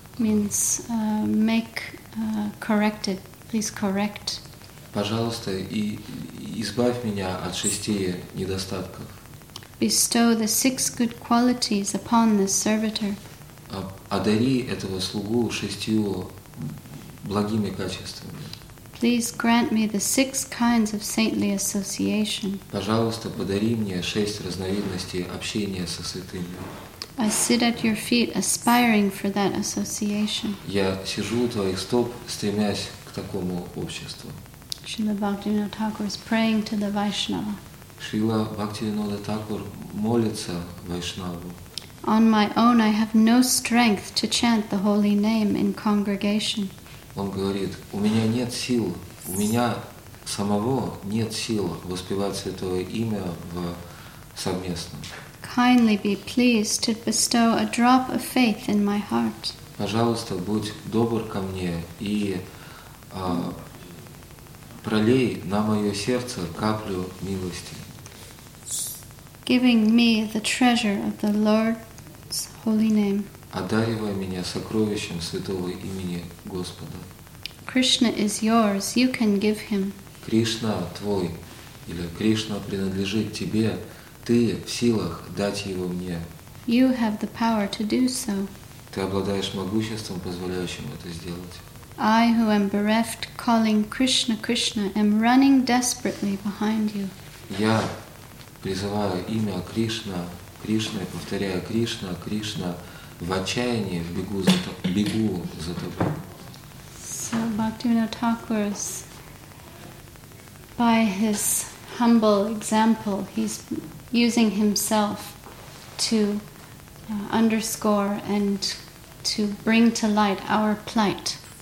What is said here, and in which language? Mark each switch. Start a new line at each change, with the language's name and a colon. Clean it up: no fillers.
English: Means make corrected. Please correct.
Russian: Пожалуйста, и избавь меня от шести недостатков.
English: Bestow the six good qualities upon the servitor.
Russian: Одари этого слугу шестью благими качествами.
English: Please grant me the six kinds of saintly association.
Russian: Пожалуйста, подари мне шесть разновидностей общения со святыми.
English: I sit at your feet aspiring for that association.
Russian: Я сижу у твоих стоп, стремясь к такому обществу.
English: Srila Bhaktivinoda Thakur is praying to the Vaishnava.
Russian: Srila Bhaktivinoda Thakur молится Вайшнаву.
English: On my own I have no strength to chant the holy name in congregation.
Russian: Он говорит, у меня нет сил, у меня самого нет сил воспевать святое имя в совместном.
English: Kindly be pleased to bestow a drop of faith in my heart.
Russian: Пожалуйста, будь добр ко мне и пролей на мое сердце каплю милости.
English: Giving me the treasure of the Lord's holy name.
Russian: Одаривая меня сокровищем святого имени Господа.
English: Krishna is yours, you can give him.
Russian: Кришна твой, или Кришна принадлежит тебе, ты в силах дать его мне.
English: You have the power to do so.
Russian: Ты обладаешь могуществом, позволяющим это сделать.
English: I, who am bereft, calling Krishna, Krishna, am running desperately behind you.
Russian: Я призываю имя Кришна, Кришна, и повторяю Кришна, Кришна, в отчаянии бегу за тобой.
English: So Bhaktivinoda Thakur, by his humble example, he's using himself to underscore and to bring to light our plight.